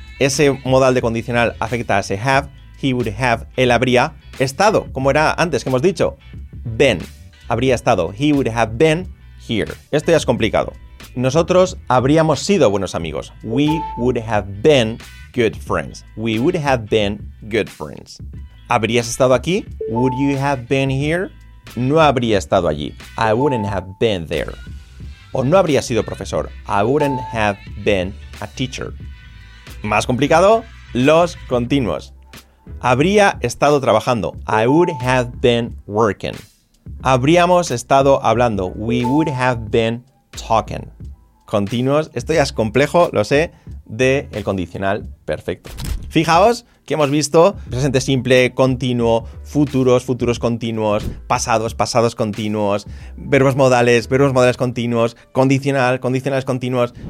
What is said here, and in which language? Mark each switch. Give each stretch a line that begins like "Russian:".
Spanish: Ese modal de condicional afecta a ese have.
English: He would have,
Spanish: él habría estado, como era antes, que hemos dicho. Been, habría estado.
English: He would have been here.
Spanish: Esto ya es complicado. Nosotros habríamos sido buenos amigos.
English: We would have been good friends. We would have been good friends.
Spanish: ¿Habrías estado aquí?
English: Would you have been here?
Spanish: No habría estado allí.
English: I wouldn't have been there.
Spanish: O no habría sido profesor.
English: I wouldn't have been a teacher.
Spanish: Más complicado, los continuos. Habría estado trabajando.
English: I would have been working.
Spanish: Habríamos estado hablando.
English: We would have been talking.
Spanish: Continuos. Esto ya es complejo, lo sé, de el condicional perfecto. Fijaos que hemos visto presente simple, continuo, futuros, futuros continuos, pasados, pasados continuos, verbos modales continuos, condicional, condicionales continuos.